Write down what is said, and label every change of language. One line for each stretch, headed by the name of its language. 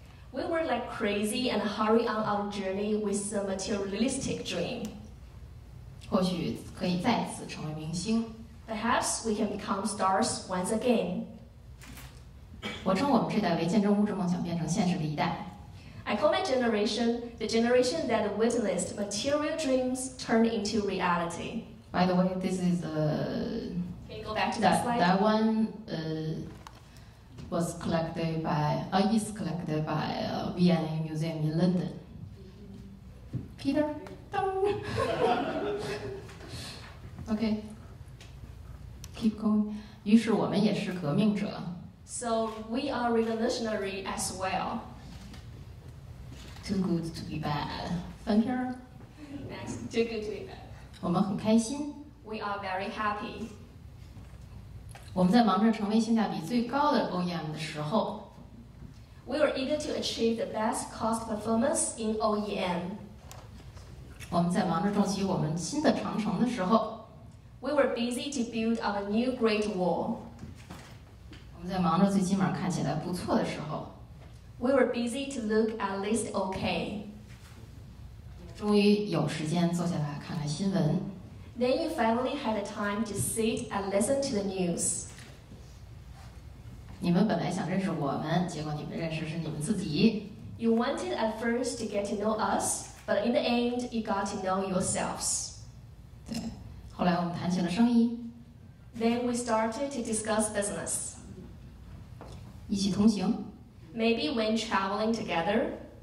English: We were like crazy and hurry on our journey with a materialistic dream.
Chinese: 或许可以再次成为明星.
English: Perhaps we can become stars once again.
Chinese: 我称我们这代为见证物质梦想变成现实的一代.
English: I call my generation the generation that witnessed material dreams turn into reality. By the way, this is a... Can you go back to the slide? That one... was collected by, is collected by a V&A museum in London. Peter, Okay, keep going.
Chinese: 于是我们也是革命者.
English: So we are revolutionary as well. Too good to be bad.
Chinese: 翻篇儿.
English: Next, too good to be bad.
Chinese: 我们很开心.
English: We are very happy.
Chinese: 我们在忙着成为性价比最高的 OEM的时候
English: We were eager to achieve the best cost performance in OEM
Chinese: 我们在忙着筑起我们新的长城的时候
English: We were busy to build our new Great Wall
Chinese: 我们在忙着最起码看起来不错的时候
English: We were busy to look at least okay
Chinese: 终于有时间坐下来看看新闻。
English: Then you finally had the time to sit and listen to the news.
Chinese: 你们本来想认识我们，结果你们认识是你们自己。
English: You wanted at first to get to know us, but in the end, you got to know yourselves.
Chinese: 对，后来我们谈起了生意。
English: Then we started to discuss business.
Chinese: 一起同行。
English: Maybe when traveling together.